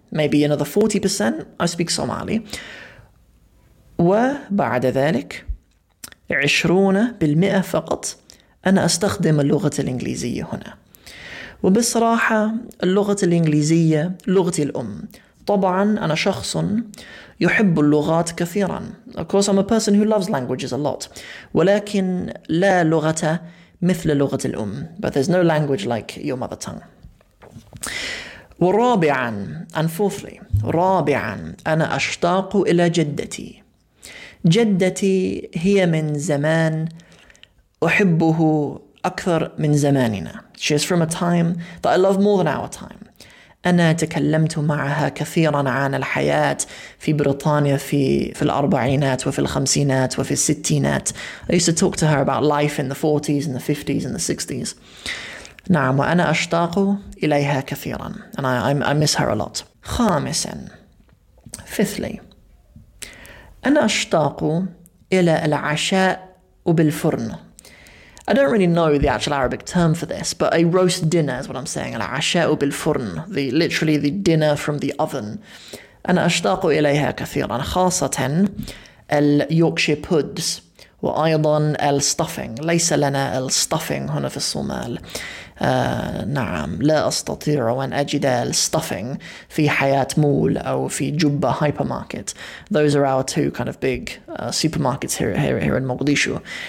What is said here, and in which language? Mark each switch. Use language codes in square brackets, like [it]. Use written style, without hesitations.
[en] Maybe another 40% I speak Somali. [ar] وبعد ذلك 20% فقط أنا أستخدم اللغة الإنجليزية هنا. وبصراحة اللغة الإنجليزية لغتي الأم. طبعا أنا شخص يحب اللغات كثيرا. [en] Of course I'm a person who loves languages a lot. [ar] ولكن لا لغة مثل لغة الأم. [en] But there's no language like your mother tongue. [ar] ورابعا, [en] and fourthly, [ar] رابعا أنا أشتاق إلى جدتي. جدتي هي من زمان أحبه أكثر من زماننا. [en] She is from a time that I love more than our time. [ar] أنا تكلمت معها كثيرا عن الحياة في بريطانيا في الأربعينات وفي الخمسينات وفي الستينات. [en] I used to talk to her about life in the 40s and the 50s and the 60s. [ar] نعم وأنا أشتاق إليها كثيرا. [en] And I miss her a lot. [ar] خامسا. [en] Fifthly. [ar] أنا أشتاق إلى العشاء وبالفرن. [en] I don't really know the actual Arabic term for this, but a roast dinner is what I'm saying. [ar] العشاء بالفرن, [en] literally the dinner from the oven. [ar] أنا أشتاق إليها كثيرا, خاصة اليوركشير بودز وأيضا الستافينغ ليس لنا الستافينغ هنا في الصومال. نعم لا أستطيع أن أجد الستافينغ في حياة مول أو في جوبا هايبرماركت. [en] Those are our two kind of big supermarkets here in Mogadishu.